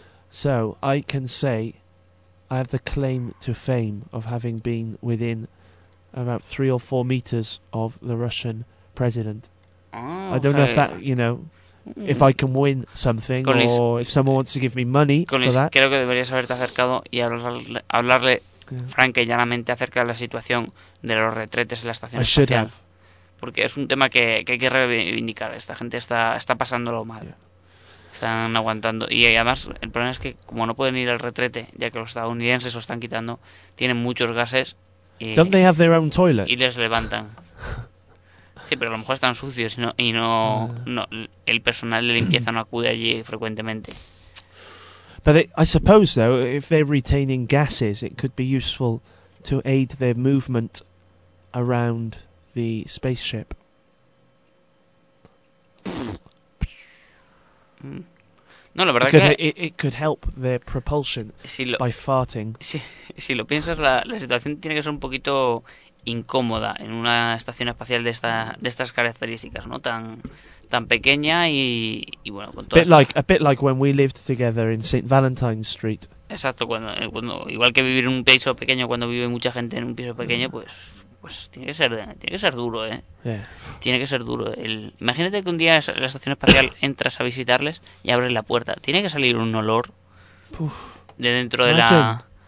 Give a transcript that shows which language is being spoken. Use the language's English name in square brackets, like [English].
[English] So I can say I have the claim to fame of having been within about 3 or 4 meters of the Russian president. Oh, I don't know if that, you know, if I can win something or if someone wants to give me money for that. [Spanish] Creo que deberías haberte acercado y hablarle franca y llanamente acerca de la situación de los retretes en la estación espacial. [English] I should have. [Spanish] Porque es un tema que hay que reivindicar. Esta gente está pasándolo mal. [English] Yeah. [Spanish] Están aguantando. Y además, el problema es que como no pueden ir al retrete, ya que los estadounidenses lo están quitando, tienen muchos gases. [English] Don't they have their own toilet? [Spanish] Y les levantan. Sí, pero a lo mejor están sucios y no el personal de limpieza no acude allí frecuentemente. [English] But I suppose though, if they're retaining gases, it could be useful to aid their movement around the spaceship. [Spanish] No, la verdad que [English] it could help their propulsion by farting. [Spanish] Si lo piensas, la situación tiene que ser un poquito incómoda en una estación espacial de estas características, ¿no? Tan pequeña y bueno, con todo. [English] A bit like when we lived together in St. Valentine Street. [Spanish] Exacto, cuando igual que vivir en un piso pequeño cuando vive mucha gente en un piso pequeño, pues tiene que ser duro, ¿eh? [English] Yeah. [Spanish] Tiene que ser duro. Imagínate que un día la estación espacial entras a visitarles y abres la puerta. Tiene que salir un olor de dentro de la...